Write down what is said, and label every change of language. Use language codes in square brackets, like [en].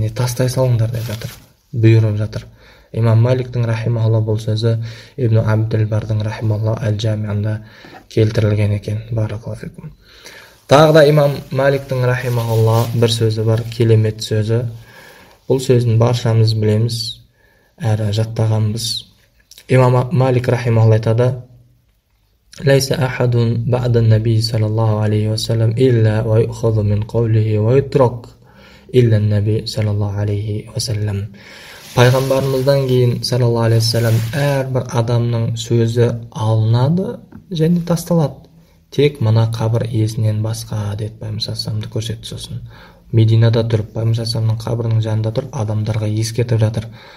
[kk] Яғни тастай салыңдар деп жатыр. Бұйырып жатыр. Имам Маликтің рахималлаһ бұл сөзі Ибн Абдүлбардың рахималлаһ әл-Джамиғында келтірілген екен. Баракаллаһ фикум. Тағы да Имам Маликтің рахималлаһ бір сөзі бар, келемет сөзі. Бұл сөзін баршамыз білеміз. Әрі жаттағанбыз. [ar] Имам Малик рахималлаһ айтады: ليس أحد بعد النبي صلى الله عليه وسلم إلا ويؤخذ من قوله ويترك إلا النبي صلى الله عليه وسلم. [kk] Пайғамбарымыздан кейін саллаллаһу алейхи уассалам әрбір адамның сөзі алынады және тасталады. Тек мына қабір иесінен басқа деп Пайғамбарымызды көрсетті сосын. Мединада тұрып Пайғамбарымыздың қабірінің жанында тұрып адамдарға ескертіп жатыр.